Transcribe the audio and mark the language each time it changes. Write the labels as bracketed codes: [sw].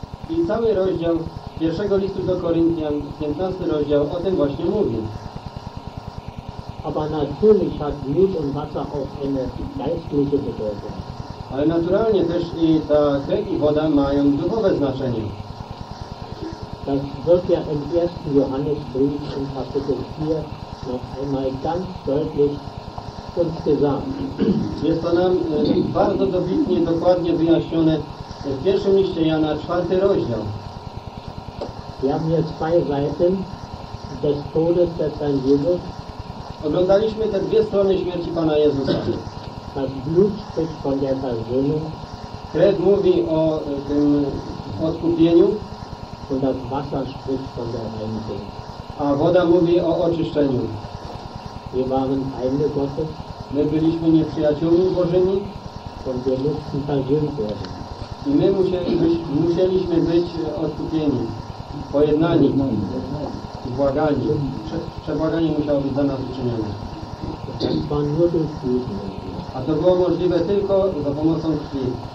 [pl] I cały rozdział pierwszego listu do Koryntian, 15 rozdział, o tym właśnie mówi. [de] Aber natürlich hat Blut und Wasser auch eine geistliche Bedeutung. [pl] Ale naturalnie też i ta krew i woda mają duchowe znaczenie. [de] Das wird ja im 1. Johannesbrief in Kapitel 4 noch einmal ganz deutlich uns gesagt. [pl] Jest to nam bardzo dobitnie, dokładnie wyjaśnione w 1. liście Jana, 4. rozdział. [de] Wir haben hier zwei Seiten des Todes des Herrn Jesus. [pl] Oglądaliśmy te dwie strony śmierci Pana Jezusa. [de] Das Blut spricht von der Versöhnung. [pl] Krew mówi o tym odkupieniu. [de] Und das Wasser spricht von der Reinigung. [pl] A woda mówi o oczyszczeniu. [de] Wir waren Feinde Gottes. [pl] My byliśmy nieprzyjaciółmi Bożymi. [de] Und wir mussten versöhnt werden. [pl] I my musieliśmy być odkupieni. Pojednani. Błagani. Przebłaganie musiało być za nas uczynione. [de] Das war nur durch [pl] A to było możliwe tylko za pomocą krwi.